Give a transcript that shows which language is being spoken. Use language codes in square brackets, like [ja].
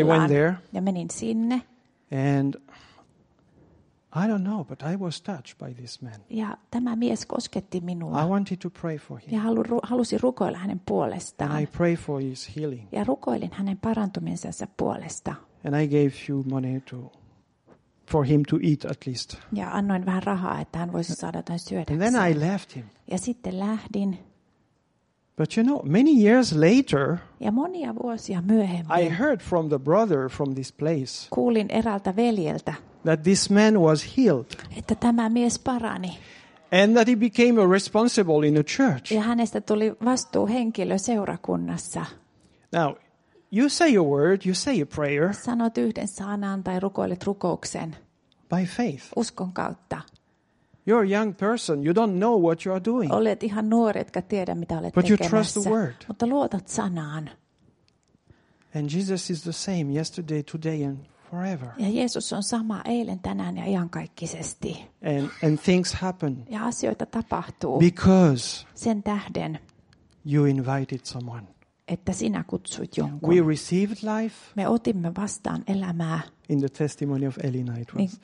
[en] So I went there. [fi] Ja menin sinne. [en] And I don't know, but I was touched by this man. [fi] Ja tämä mies kosketti minua. [en] I wanted to pray for him. [fi] Ja halusin rukoilla hänen puolestaan. [en] And I pray for his healing. [fi] Ja rukoilin hänen parantumisensa puolesta. [en] And I gave few money to for him to eat at least. [fi] Ja annoin vähän rahaa, että hän voisi saada jotain syödä. [en] And then I left him. [fi] Ja sitten lähdin. [en] But you know, many years later. [fi] Ja monia vuosia myöhemmin. [en] I heard from the brother from this place. [fi] Kuulin eräältä veljeltä. [en] That this man was healed. [fi] Että tämä mies parani. [en] And that he became a responsible in a church. [fi] Ja hänestä tuli vastuuhenkilö seurakunnassa. [en] Now, you say a word, you say a prayer. [fi] Sanot yhden sanan tai rukoilet rukouksen. [en] By faith. [fi] Uskon kautta. [en] You're a young person, you don't know what you are doing. [fi] Olet ihan nuori, etkä tiedä mitä olet tekemässä. [en] But you trust the word. [fi] Mutta luotat sanaan. [en] And Jesus is the same yesterday, today and forever. [fi] Ja Jeesus on sama eilen, tänään ja iankaikkisesti. [en] And things happen. [fi] Ja asioita tapahtuu. [en] Because [fi] sen tähden [en] you invited someone. [fi] Että sinä kutsuit jonkun. [en] We received life. [fi] Me otimme vastaan elämää. [en] In the testimony of Elina it was.